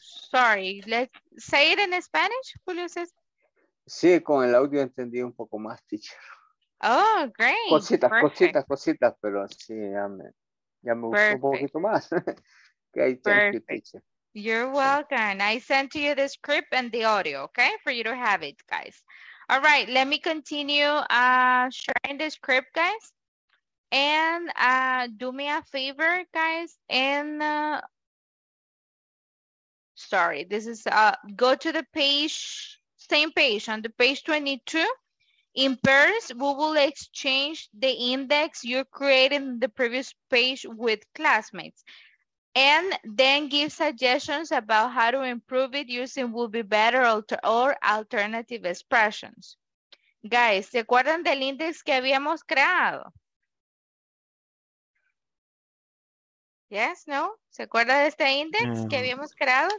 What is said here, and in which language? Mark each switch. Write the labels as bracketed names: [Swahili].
[English] Sorry, let's say it in Spanish, Julio says. [Spanish] Sí, con el audio entendí un poco más, teacher. [English] Oh, great. [Spanish] Cositas, perfect. cositas, pero sí, ya me gustó un poquito más. [English] Okay, thank you, teacher. You're welcome. I sent you the script and the audio, okay? For you to have it, guys. All right, let me continue sharing the script, guys. And do me a favor, guys. And sorry, this is, go to the page... same page, on the page 22, in pairs, we will exchange the index you created in the previous page with classmates. And then give suggestions about how to improve it using will be better or alternative expressions. [Spanish] Guys, ¿se acuerdan del index que habíamos creado? [English] Yes, no? [Spanish] ¿Se acuerda de este index que habíamos creado?